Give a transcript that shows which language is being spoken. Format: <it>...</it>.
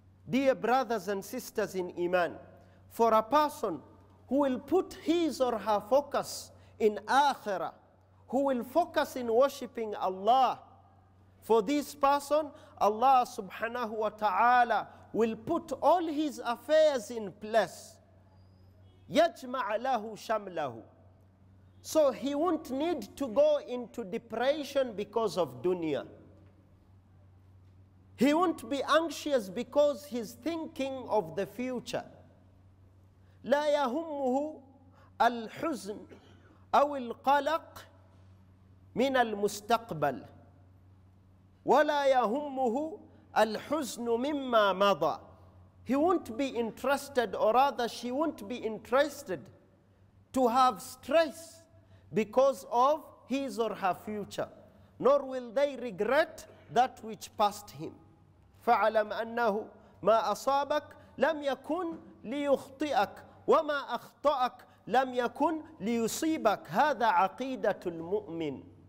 <en>Dear brothers and sisters in Iman, for a person who will put his or her focus in Akhirah, who will focus in worshipping Allah, for this person, Allah subhanahu wa ta'ala will put all his affairs in place.</en> <ar>يَجْمَعَ لَهُ شَمْلَهُ.</ar> <en>So he won't need to go into depression because of dunya. He won't be anxious because he's thinking of the future.</en> <ar>لَا يَهُمُّهُ الْحُزْنُ أَوِ الْقَلَقُ من المستقبل ولا يهمه الحزن مما مضى.</ar> <en>He won't be interested, or rather she won't be interested, to have stress because of his or her future, nor will they regret that which passed him.</en> <ar>فعلم أنه ما أصابك لم يكن ليخطئك وما أخطأك لم يكن ليصيبك هذا عقيدة المؤمن.</ar>